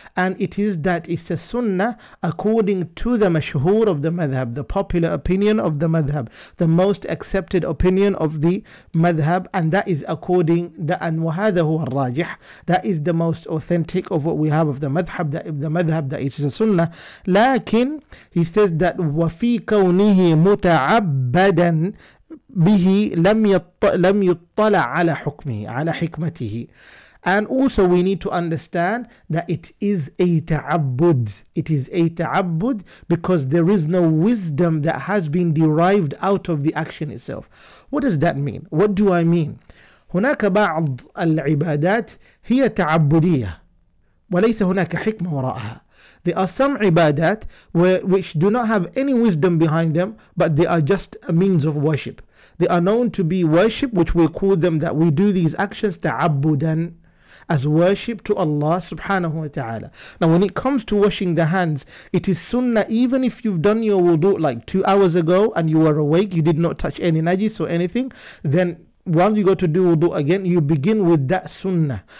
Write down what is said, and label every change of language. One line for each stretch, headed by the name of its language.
English: And it is that it's a sunnah according to the mashhur of the madhab, the popular opinion of the madhab, the most accepted opinion of the madhab, and that is according the
Arabic: وَهَذَا هُوَ الرَّاجِحِ.
English: That is the most authentic of what we have of the madhab, that it is a sunnah.
Arabic: لكن,
English: he says that
Arabic: وَفِي كَوْنِهِ مُتَعَبَّدًا بِهِ لَمْ يُطَّلَ عَلَى حُكْمِهِ عَلَى حِكْمَتِهِ.
English: And also we need to understand that it is a ta'abbud. It is a ta'abbud because there is no wisdom that has been derived out of the action itself. What does that mean? What do I mean?
Arabic: هناك بعض العبادات هي تعبدية وليس هناك حكمة وراءها.
English: There are some ibadat which do not have any wisdom behind them, but they are just a means of worship. They are known to be worship, which we call them that we do these actions ta'abbudan, as worship to Allah subhanahu wa ta'ala. Now when it comes to washing the hands, it is sunnah, even if you've done your wudu like 2 hours ago and you were awake, you did not touch any najis or anything, then once you go to do wudu again, you begin with that sunnah.